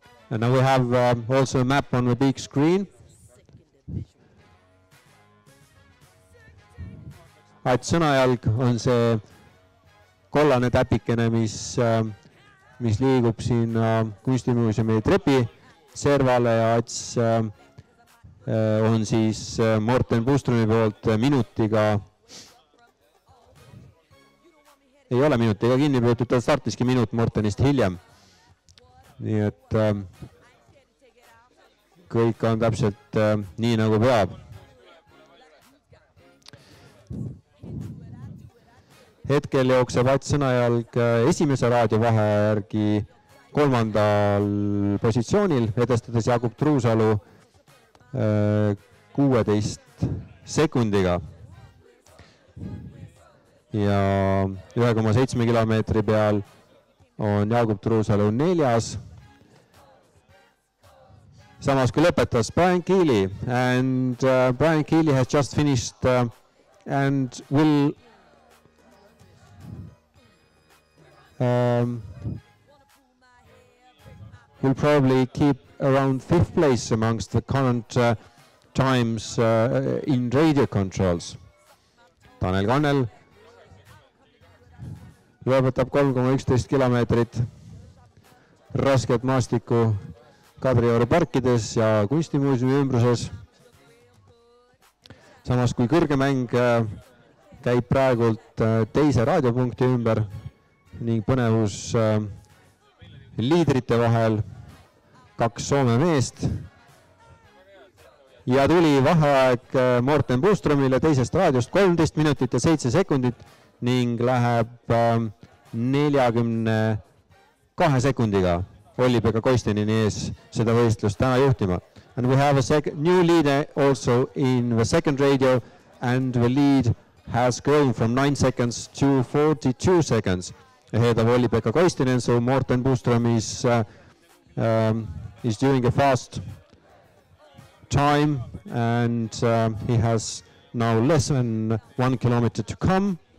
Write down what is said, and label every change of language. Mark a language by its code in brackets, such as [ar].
[en] And now we have also a map on the big screen. [et] Ait sõnajalg on see kollane täpikene, mis liigub siin kunstimuuseumi trepi servale ja ats on siis Morten Buuströmi poolt minutiga. Ei ole minutiga kinni peetud, ta startiski minut Mortenist hiljem. Nii et kõik on täpselt nii nagu peab. Hetkel jookseb Ats sõnajalg esimese raadio vahe järgi kolmandal positsioonil, edestades Jakub Truusalu 16 sekundiga. Ja 1,7 kilometri peal on Jakub Truusalu neljas. Samas kui lõpetas Brian Keely. [en] And Brian Keely has just finished and will we'll probably keep around fifth place amongst the current times in radio controls. [et] Tanel Kannel lõpetab 3,11 kilometrit rasket maastiku Kadrioru parkides ja kunstimuuseumi ümbruses. Samas kui kõrge mäng käib praegult teise raadiopunkti ümber ning põnevus liidrite vahel kaks Soome meest. Ja tuli vaheaeg Morten Buuströmile teisest raadiost 13 minutit ja 7 sekundit ning läheb 42 sekundiga Ollipega Koistinini ees seda võistlust täna juhtima. [en] And we have a new leader also in the second radio and the lead has grown from 9 seconds to 42 seconds. Ahead of Ollipekka Koistinen, so Morten Buuström is doing a fast time and he has now less than 1 kilometer to come.